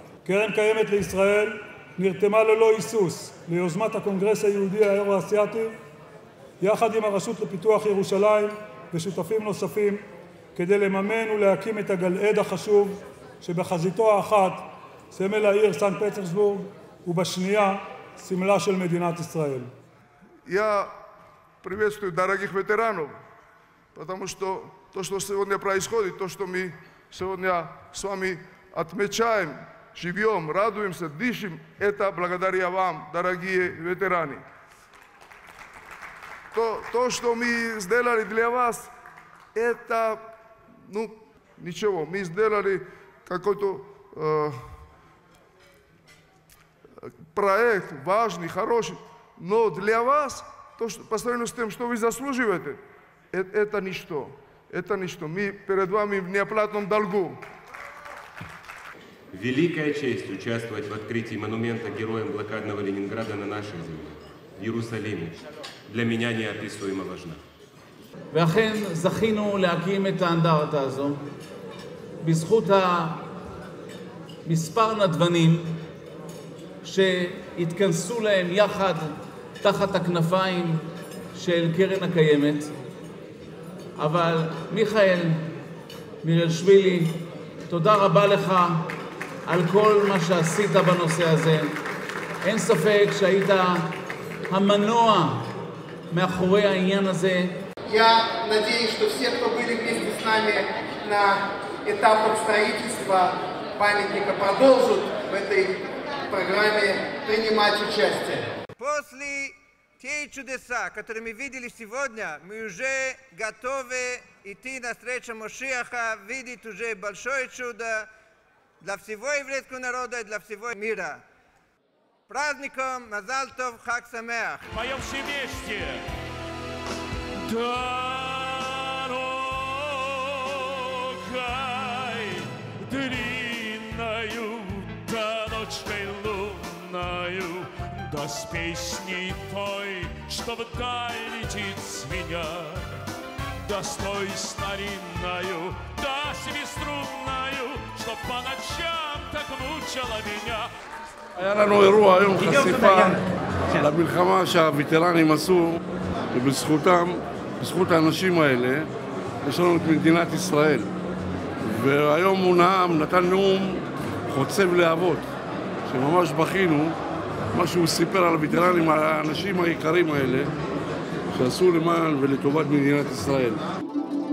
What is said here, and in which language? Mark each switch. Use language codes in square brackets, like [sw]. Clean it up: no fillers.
[he] קרן קיימת לישראל נרתמה ללא היסוס ליוזמת הקונגרס היהודי האירו-אסיאתי, יחד עם הרשות לפיתוח ירושלים ושותפים נוספים, כדי לממן ולהקים את הגלעד החשוב שבחזיתו האחת סמל העיר סנט פטרסבורג, ובשנייה סמלה של מדינת ישראל. [ru] Я приветствую дорогих ветеранов, потому что то, что сегодня происходит, то, что мы сегодня с вами отмечаем, живем, радуемся, дышим, это благодаря вам, дорогие ветераны. То, что мы сделали для вас, это, ну, ничего, мы сделали какой-то проект важный, хороший, но для вас, то, что, по сравнению с тем, что вы заслуживаете, это ничто. Это ничто. Мы перед вами в неоплатном долгу. Великая честь участвовать в открытии монумента героям блокадного Ленинграда на нашей земле, в Иерусалиме, для меня неописуемо важна. [he] ואכן זכינו להקים את האנדרטה הזו בזכות מספר נדבנים שהתכנסו להם יחד תחת הכנפיים של קרן הקיימת, אבל מיכאל מירלשווילי, תודה רבה לך על כל מה שעשית בנושא הזה. אין ספק שהיית המנוע מאחורי העניין הזה. [ru] Я надеюсь, что все, кто были вместе с нами на этапах строительства памятника, продолжат в этой программе принимать участие. После тех чудес, которые мы видели сегодня, мы уже готовы идти на встречу Машиаха, видеть уже большое чудо для всего еврейского народа и для всего мира. Праздником [he] Мазал Тов, Хаг Самеах! [ru] Поем все вместе! Дорогой, длинною, да ночкой лунною, да с песней той, что вдаль летит свинья. да с той старинною, да с веструнною, чтоб по ночам так мучила меня. [he] היה לנו אירוע היום, חשיפה למלחמה שהווטרנים עשו, ובזכותם, בזכות האנשים האלה, יש לנו את מדינת ישראל. והיום הוא נעם, נתן נאום חוצב להבות, שממש בכינו, מה שהוא סיפר על הווטרנים, על האנשים היקרים האלה, שעשו למען ולטובת מדינת ישראל.